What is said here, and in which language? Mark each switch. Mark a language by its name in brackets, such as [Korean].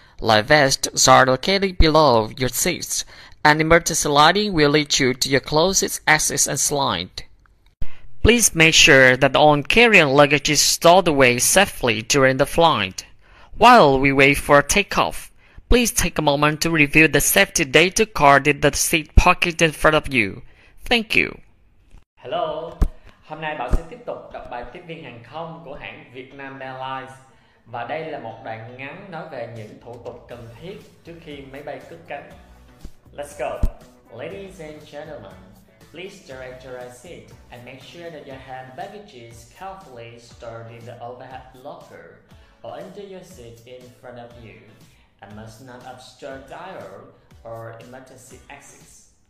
[English] Life vests are located below your seats. An emergency landing will lead you to your closest exit and slide. Please make sure that all carry-on luggage is stowed away safely during the flight. While we wait for takeoff, please take a moment to review the safety data card in the seat pocket in front of you. Thank you. [Vietnamese] Hello, hôm nay Bảo sẽ tiếp tục đọc bài tiếp viên hàng không của hãng Vietnam Airlines. Và đây là một đoạn ngắn nói về những thủ tục cần thiết trước khi máy bay cất cánh. [English] Let's go. Ladies and gentlemen, please direct your seat and make sure that your hand baggage is carefully stored in the overhead locker or under your seat in front of you and must not obstruct aisle or emergency exits.